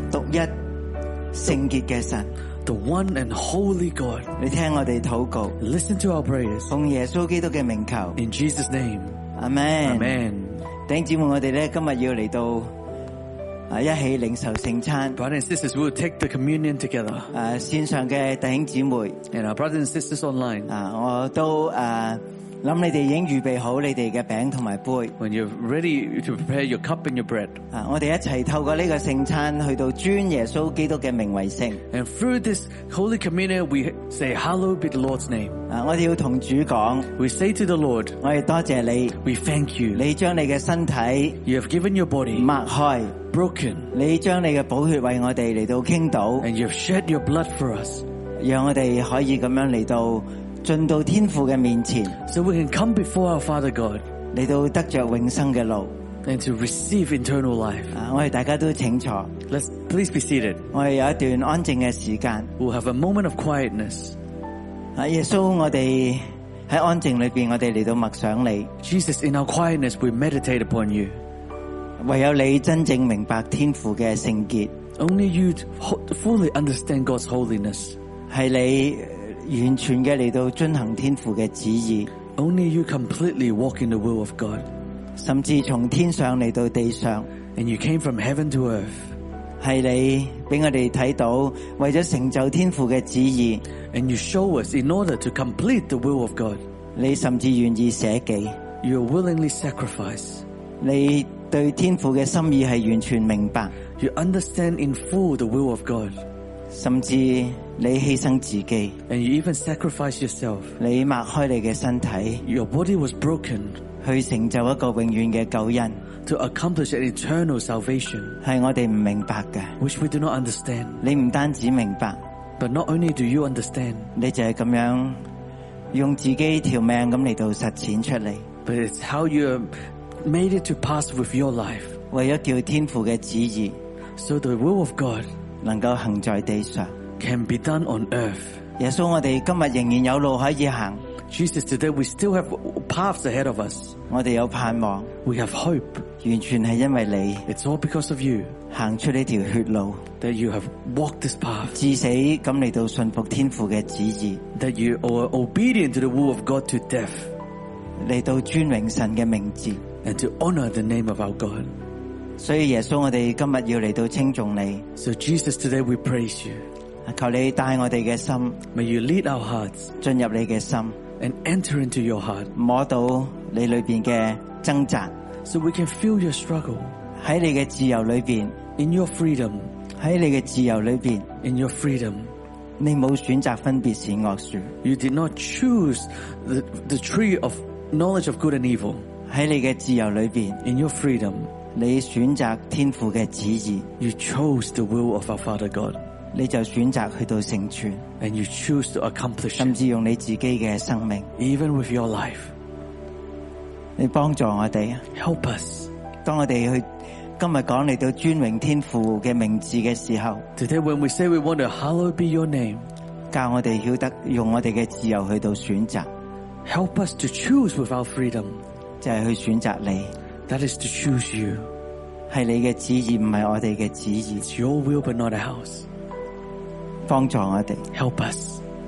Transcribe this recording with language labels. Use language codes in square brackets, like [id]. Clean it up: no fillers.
[zh] 独一圣洁的神 [en] the one and holy God, [zh] 你听我们祷告 [en] listen to our prayers, [zh] 奉耶稣基督的名求 [en] in Jesus' name, Amen, Amen. [zh] 弟兄姊妹我们今天要来到一起领受圣餐 [en] Brothers and sisters, we'll take the communion together, [zh] 线上的弟兄姊妹 [en] and our brothers and sisters online, [zh] 我都想你们已经预备好你们的饼和杯 [en] When you're ready to prepare your cup and your bread [zh] 我们一起透过这个圣餐去到尊耶稣基督的名为圣 [en] And through this holy communion we say Hallowed be the Lord's name [zh] 我们要跟主讲 [en] We say to the Lord [zh] 我们多谢你 [en] We thank you [zh] 你将你的身体 [en] You have given your body [zh] 擘开 [en] Broken [zh] 你将你的宝血为我们来到倾倒 [en] And you have shed your blood for us [zh] 让我们可以这样来到进到天父的面前 [en] So we can come before our Father God [zh] 来到得着永生的路 [en] And to receive eternal life [zh] 我们大家都清楚 [en] Let's please be seated [zh] 我们有一段安静的时间 [en] We'll have a moment of quietness [zh] 耶稣我们在安静里面我们来到默想你 [en] Jesus in our quietness we meditate upon you [zh] 唯有你真正明白天父的圣洁 [en] Only you fully understand God's holiness [zh] 是你完全的来到遵行天父的旨意 [en] Only you completely walk in the will of God [zh] 甚至从天上来到地上 [en] And you came from heaven to earth [zh] 是你让我们看到为了成就天父的旨意 [en] And you show us in order to complete the will of God [zh] 你甚至愿意舍己 [en] You are willingly sacrifice [zh] 你对天父的心意是完全明白 [en] You understand in full the will of God [zh] 甚至你牺牲自己 [en] And you even sacrificed yourself [zh] 你擘开你的身体 [en] Your body was broken [zh] 去成就一个永远的救恩 [en] To accomplish an eternal salvation [zh] 是我们不明白的 [en] Which we do not understand [zh] 你不单止明白 [en] But not only do you understand [zh] 你就是这样用自己条命来到实践出来 [en] But it's how you made it to pass with your life [zh] 为了叫天父的旨意 [en] So the will of God [zh] 能够行在地上 [en] Can be done on earth. [zh] 耶稣，我们今天仍然有路可以行。 [en] Jesus, today we still have paths ahead of us. [zh] 我们有盼望。 [en] We have hope. [zh] 完全是因为你。 [en] It's all because of you. [zh] 行出这条血路。 [en] That you have walked this path. [zh] 至死地来到顺服天父的旨意。 [en] That you are obedient to the will of God to death. [zh] 来到尊荣神的名字。 [en] And to honor the name of our God. [zh] 所以耶稣，我们今天要来到称颂你。 [en] So Jesus, today we praise you. [zh] 求你带我们的心 [en] May you lead our hearts [zh] 进入你的心 [en] And enter into your heart [zh] 摸到你里面的挣扎 [en] So we can feel your struggle [zh] 在你的自由里面 [en] In your freedom [zh] 在你的自由里面 [en] In your freedom [zh] 你没有选择分别善恶树 [en] You did not choose the tree of knowledge of good and evil [zh] 在你的自由里面 [en] In your freedom [zh] 你选择天父的旨意 [en] You chose the will of our Father God [zh] 你就选择去到成全 [en] And you choose to accomplish [zh] 甚至用你自己的生命 [en] Even with your life [zh] 你帮助我们 [en] Help us [zh] 当我们去今天讲来到尊荣天父的名字的时候 [en] Today when we say we want to hallowed be your name [zh] 教我们晓得用我们的自由去到选择 [en] Help us to choose with our freedom [zh] 就是去选择你 [en] That is to choose you [zh] 是你的旨意不是我们的旨意 [en] It's your will but not ours [zh] 帮助我们 [en] Help us